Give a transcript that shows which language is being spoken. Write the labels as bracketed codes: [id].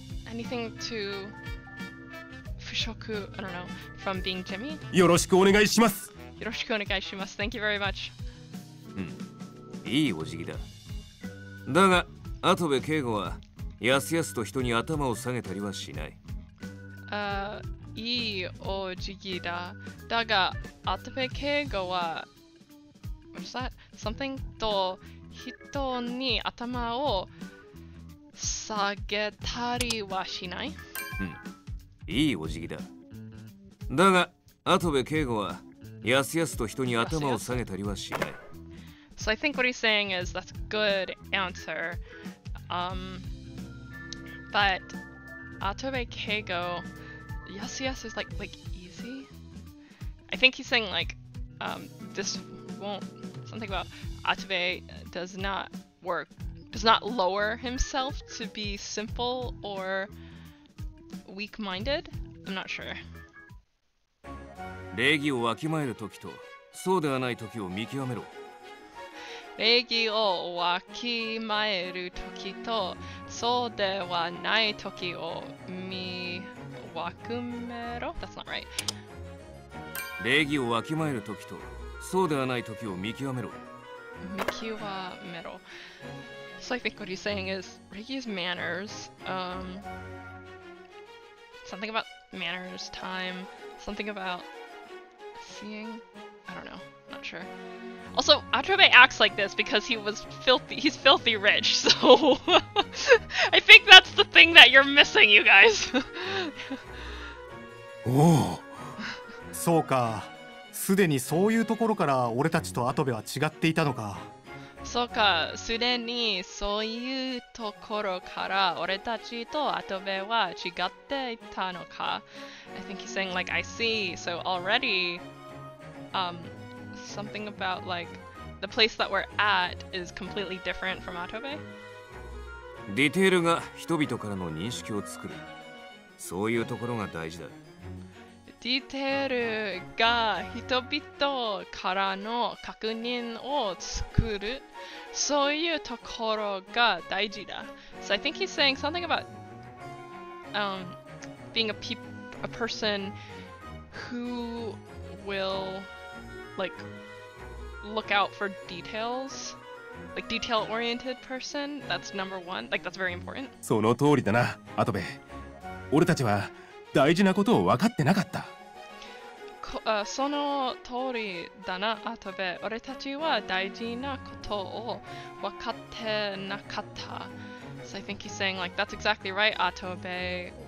[en] Anything to [ja] 払拭, [en] I don't know, from being Jimmy? [ja] よろしくお願いします。よろしくお願いします。 [en] Thank you very much. [ja] いいお辞儀だ。だが、アトベ敬語は、やすやすと人に頭を下げたりはしない。いいお辞儀だ。だが、アトベ敬語は、 [en] what's that? Something [ja] と人に頭を下げたりはしない。いいお辞儀だ。だが、アトベ敬語は、やすやすと人に頭を下げたりはしない。 [en] So I think what he's saying is that's a good answer. But Atobe Keigo, yes, yes, is like easy. I think he's saying this won't, something about Atobe does not work, does not lower himself to be simple or weak-minded. I'm not sure. [ja] 礼儀をわきまえる時とそうではない時を見極めろ。礼儀をわきまえるときとそうではないときを見わくめろ。 [en] That's not right. [ja] 礼儀をわきまえるときとそうではないときを見極めろ。見極めろ。 [en] So I think what he's saying is 礼儀 is manners. Something about manners, time, something about seeing. I don't know. Not sure. Also, Atobe acts like this because he was filthy. He's filthy rich, so I think that's the thing that you're missing, you guys. Oh, so [ja] か。すでにそういうところから俺たちとアトベは違っていたのか。そうか。すでにそういうところから俺たちとアトベは違っていたのか。 [en] I think he's saying like I see. So already, something about like the place that we're at is completely different from Atobe. [ja] Detail が人々からの認識を作る。そういうところが大事だ。 Detail が人々からの確認を作る。そういうところが大事だ。 [en] So I think he's saying something about being a person who will like. Look out for details, like detail-oriented person. That's number one. Like that's very important. [ja] その通りだな、アトベ。俺たちは大事なことを分かってなかった。その通りだな、アトベ。俺たちは大事なことを分かってなかった。 [en] So I think he's saying like that's exactly right, アトベ。